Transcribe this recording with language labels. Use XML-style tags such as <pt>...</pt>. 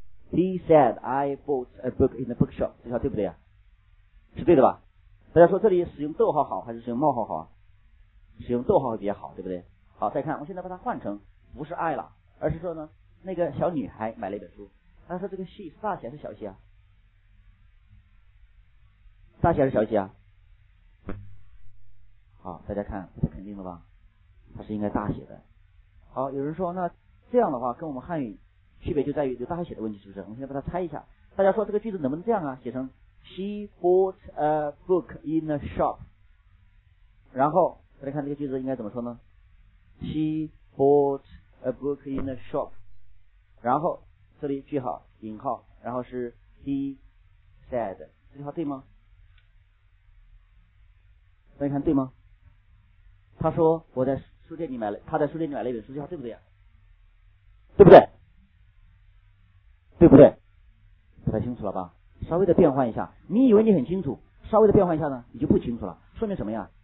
<en>He said I bought a book in a bookshop.</en> <zh>这句话对不对啊？是对的吧？大家说这里使用逗号好还是使用冒号好啊？使用逗号会比较好，对不对？好，再看，我现在把它换成不是 I 了，而是说呢，那个小女孩买了一本书。他说这个 she 大写还是小写啊？大写还是小写啊？好，大家看，不太肯定了吧？他是应该大写的。好，有人说那这样的话跟我们汉语区别就在于有大写的问题，是不是？我们先把它猜一下，大家说这个句子能不能这样啊？写成</zh> <en>she bought a book in a shop，</en> <zh>然后大家看这个句子应该怎么说呢？</zh> <en>she bought a book in a shop，</en> <zh>然后这里句号引号，然后是</zh> <en>he said，</en> <zh>这句话对吗？大家看对吗？他说我在书店里买了，他在书店里买了一本书，这句话对不对啊？对不对？对不对？不太清楚了吧？稍微的变换一下，你以为你很清楚，稍微的变换一下呢，你就不清楚了。说明什么呀？</zh>